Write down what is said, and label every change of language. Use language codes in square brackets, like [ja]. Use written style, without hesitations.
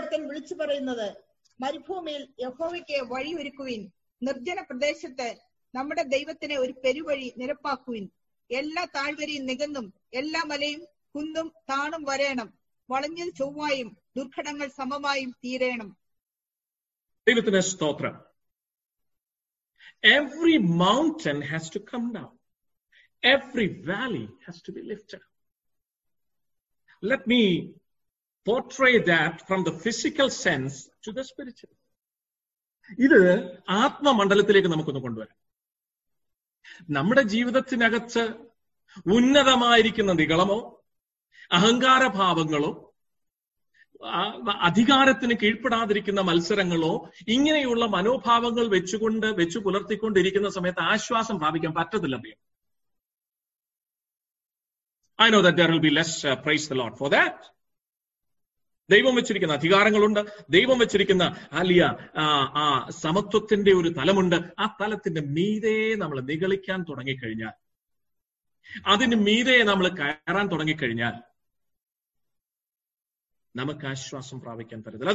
[ml] വിളിച്ചു പറയുന്നത്, മരുഭൂമിയിൽ യഹോവയ്ക്ക് വഴിയൊരുക്കുവിൻ, നിർജ്ജന പ്രദേശത്ത് നമ്മുടെ ദൈവത്തിന് ഒരു പെരുവഴി നിരപ്പാക്കുവിൻ, എല്ലാ താഴ്വരയും നികന്നും എല്ലാ മലയും കുന്നും താണും വരേണം, വളഞ്ഞ ചൊവ്വായും ദുർഘടങ്ങൾ സമമായും തീരേണം. ദൈവത്തിന് സ്തോത്രം. [en] Every mountain has to come down, every valley has to be lifted. Let me portray that from the physical sense to the spiritual. [ml] ഇത് ആത്മമണ്ഡലത്തിലേക്ക് നമുക്കൊന്ന് കൊണ്ടുവരാം. നമ്മുടെ ജീവിതത്തിനകത്ത് ഉന്നതമായിരിക്കുന്ന നിഗളമോ അഹങ്കാരഭാവങ്ങളോ അധികാരത്തിന് കീഴ്പ്പെടാതിരിക്കുന്ന മത്സരങ്ങളോ ഇങ്ങനെയുള്ള മനോഭാവങ്ങൾ വെച്ചു പുലർത്തിക്കൊണ്ടിരിക്കുന്ന സമയത്ത് ആശ്വാസം പ്രാപിക്കാൻ പറ്റത്തില്ല. [en] I know that there will be less praise the Lord for that. [ml] ദൈവം വെച്ചിരിക്കുന്ന അധികാരങ്ങളുണ്ട്, ദൈവം വെച്ചിരിക്കുന്ന അലിയ ആ സമത്വത്തിന്റെ ഒരു തലമുണ്ട്. ആ തലത്തിന്റെ മീതെ നമ്മൾ നിഗളിക്കാൻ തുടങ്ങിക്കഴിഞ്ഞാൽ, അതിന് മീതെ നമ്മൾ കയറാൻ തുടങ്ങിക്കഴിഞ്ഞാൽ നമുക്ക് ആശ്വാസം പ്രാപിക്കാൻ തരത്തില്ല.